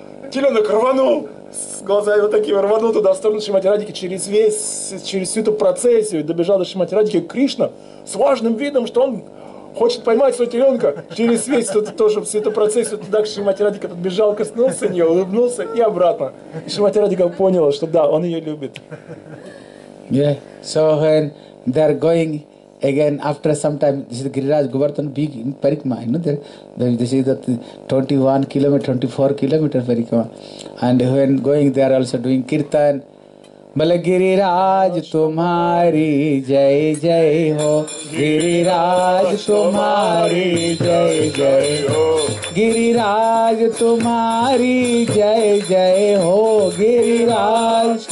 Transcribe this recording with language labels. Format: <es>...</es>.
<ru>Теленок рванул, с глазами вот такими, рванул туда, в сторону Шримати Радики, через всю эту процессию, добежал до Шримати Радики. Кришна с важным видом, что он хочет поймать своего теленка, через весь тут тоже всю эту процессию туда к Шримати Радике подбежал, коснулся нее, улыбнулся и обратно. И Шримати Радика поняла, что да, он ее любит.</ru> <en>Yeah. So when they're going again after some time, this is Giriraj Govardhan being in Parikma, you know, they say that 21 kilometer, 24 kilometer Parikma. And when going, they are also doing Kirtan.</en> <hi>बल गिरिराज तुम्हारी जय जय हो गिरिराज तुम्हारी जय जय हो गिरिराज तुम्हारी जय जय हो गिरिराज</hi>